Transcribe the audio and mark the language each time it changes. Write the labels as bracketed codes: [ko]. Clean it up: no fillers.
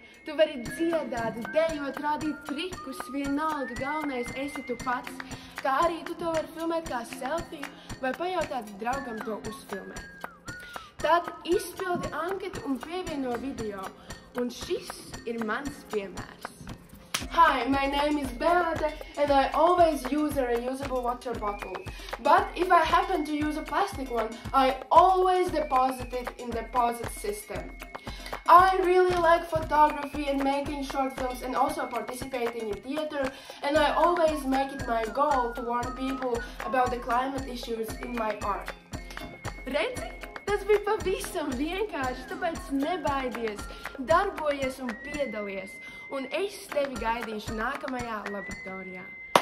[lv] Tu vari dziedāt, dejot, rādīt trikus, vienalga galvenais esi tu pats, kā arī tu to vari filmēt kā selfiju vai pajautāt draugam to uzfilmēt. Tad izpildi anketu un pievieno video, un šis ir mans piemērs. [en] Hi, my name is Beate, and I always use a reusable water bottle. But if I happen to use a plastic one, I always deposit it in the deposit system. I really like photography and making short films and also participating in theater, and I always make it my goal to warn people about the climate issues in my art. [lv] Redzi? Tas bija pavisam vienkārši, tāpēc nebaidies, darbojies un piedalies. Un es tevi gaidīšu nākamajā laboratorijā.